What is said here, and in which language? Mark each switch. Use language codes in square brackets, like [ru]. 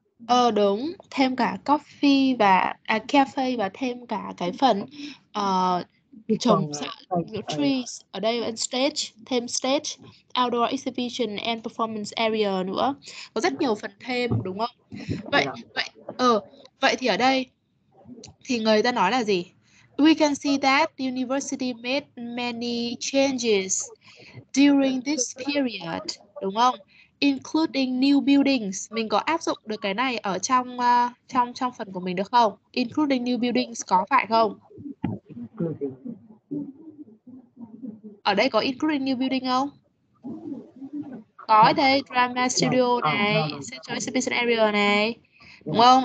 [vi] Ờ đúng, thêm cả coffee và cafe và thêm cả cái phần trồng trees ở đây và stage, thêm stage, [en] outdoor exhibition and performance area [vi] nữa. Có rất nhiều phần thêm đúng không? Vậy vậy thì ở đây thì người ta nói là gì? [en] We can see that the university made many changes during this period, [vi] đúng không? [en] Including new buildings. [vi] Mình có áp dụng được cái này ở trong trong phần của mình được không? [en] Including new buildings [vi] có phải không? Ở đây có [en] including new building [vi] không? Có đấy, drama studio này, central exhibition area này. Đúng không?